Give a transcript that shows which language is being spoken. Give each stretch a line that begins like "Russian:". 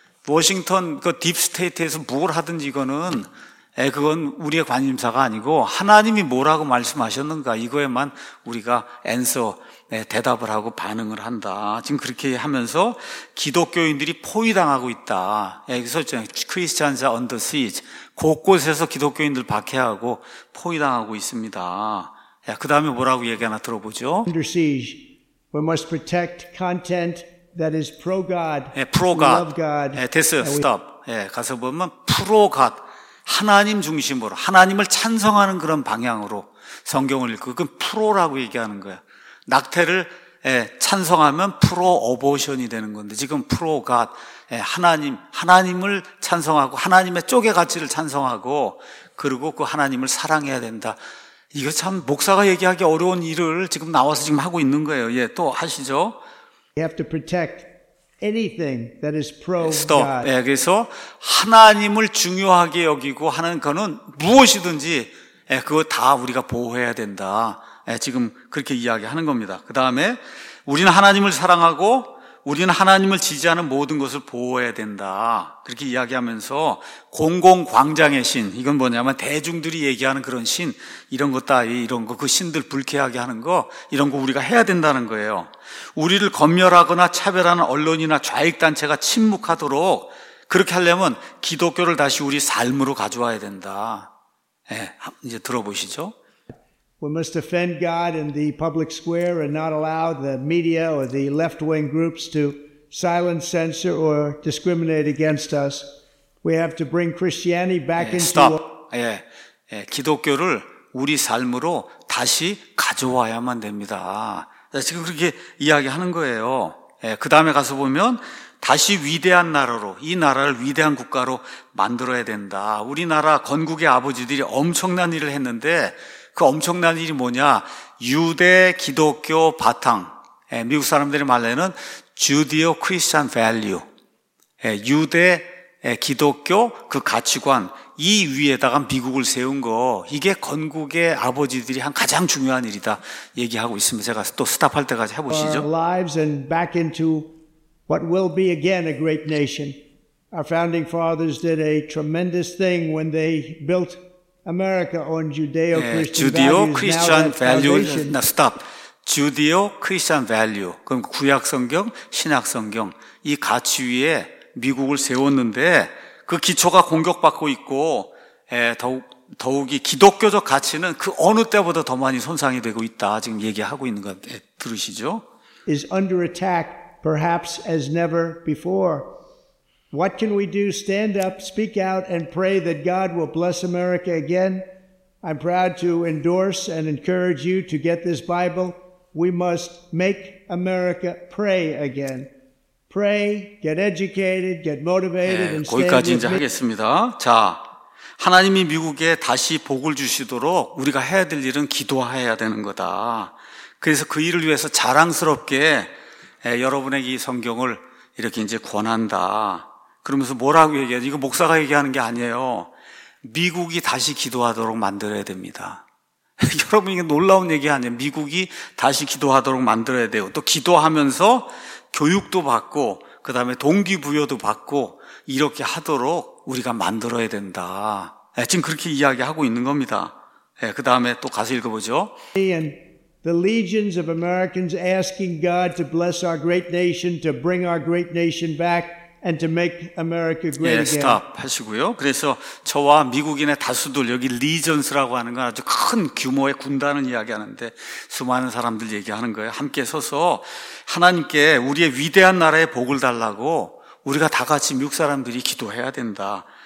Korean: 워싱턴 그 딥스테이트에서 뭘 하든지 이거는 그건 우리의 관심사가 아니고 하나님이 뭐라고 말씀하셨는가 이거에만 우리가 answer 대답을 하고 반응을 한다. 지금 그렇게 하면서 기독교인들이 포위당하고 있다.
English: 여기서 Christians are under siege.
Korean: 곳곳에서 기독교인들 박해하고 포위당하고 있습니다. 그 다음에 뭐라고 얘기하나 들어보죠.
English: Under siege. We must protect content that is pro-God. Pro-God. Love God. Stop.
Korean: 가서 보면 pro-God. 하나님 중심으로 하나님을 찬성하는 그런 방향으로 성경을 읽고 그건 프로라고 얘기하는 거야. 낙태를 찬성하면 프로 어보션이 되는 건데 지금 프로 갓 하나님을 찬성하고 하나님의 쪽의 가치를 찬성하고 그리고 그 하나님을 사랑해야 된다. 이거 참 목사가 얘기하기 어려운 일을 지금 나와서 지금 하고 있는 거예요. 예, 또 하시죠.
English: You have to protect anything that is pro God.
Korean: 그래서 하나님을 중요하게 여기고 하는 거는 무엇이든지 그거 다 우리가 보호해야 된다. 지금 그렇게 이야기하는 겁니다. 그 다음에 우리는 하나님을 사랑하고 우리는 하나님을 지지하는 모든 것을 보호해야 된다. 그렇게 이야기하면서 공공광장의 신, 이건 뭐냐면 대중들이 얘기하는 그런 신, 이런 것 따위, 이런 거, 그 신들 불쾌하게 하는 거, 이런 거 우리가 해야 된다는 거예요. 우리를 검열하거나 차별하는 언론이나 좌익단체가 침묵하도록 그렇게 하려면 기독교를 다시 우리 삶으로 가져와야 된다. 이제 들어보시죠.
English: We must defend God in the public square and not allow the media or the left-wing groups to silence, censor, or discriminate against us. We have to bring Christianity back into our...
Korean: 기독교를 우리 삶으로 다시 가져와야만 됩니다. 지금 그렇게 이야기하는 거예요. 그 다음에 가서 보면 다시 위대한 나라로 이 나라를 위대한 국가로 만들어야 된다. 우리나라 건국의 아버지들이 엄청난 일을 했는데 그 엄청난 일이 뭐냐? 유대 기독교 바탕. 미국 사람들이 말하는
English: Judeo Christian value.
Korean: 유대 기독교 그 가치관 이 위에다가 미국을 세운 거. 이게 건국의 아버지들이 한 가장 중요한 일이다 얘기하고 있습니다. 제가 또 스탑할 때까지 해 보시죠.
English: Lives and back into what will be again a great nation. Our founding fathers did a tremendous thing when they built America on Judeo-Christian values. Now stop. Judeo-Christian value.
Korean: 그럼 구약 성경, 신약 성경 이 가치 위에 미국을 세웠는데 그 기초가 공격받고 있고 더욱이 기독교적 가치는 그 어느 때보다 더 많이 손상이 되고 있다. 지금 얘기하고 있는 것 들으시죠?
English: Is under attack perhaps as never before. What can we do? Stand up, speak out, and pray that God will bless America again. I'm proud to endorse and encourage you to get this Bible. We must make America pray again. Pray, get educated, get motivated, and stand with me.
Korean: 거기까지 이제 하겠습니다. 자, 하나님이 미국에 다시 복을 주시도록 우리가 해야 될 일은 기도해야 되는 거다. 그래서 그 일을 위해서 자랑스럽게 여러분에게 이 성경을 이렇게 이제 권한다. 그러면서 뭐라고 얘기하지? 이거 목사가 얘기하는 게 아니에요. 미국이 다시 기도하도록 만들어야 됩니다. 여러분 이게 놀라운 얘기 아니에요. 미국이 다시 기도하도록 만들어야 돼요. 또 기도하면서 교육도 받고 그다음에 동기부여도 받고 이렇게 하도록 우리가 만들어야 된다. 지금 그렇게 이야기하고 있는 겁니다. 그다음에 또 가서 읽어보죠.
English: The legions of Americans asking God to bless our great nation, to bring our great nation back. And to make America great again.
Korean: 스탑 하시고요. 그래서 저와 미국인의 다수들 여기 리전스라고 하는 건 아주 큰 규모의 군단을 이야기하는데 수많은 사람들 얘기하는 거예요. 함께 서서 하나님께 우리의 위대한 나라의 복을 달라고 우리가 다 같이 미국 사람들이 기도해야 된다.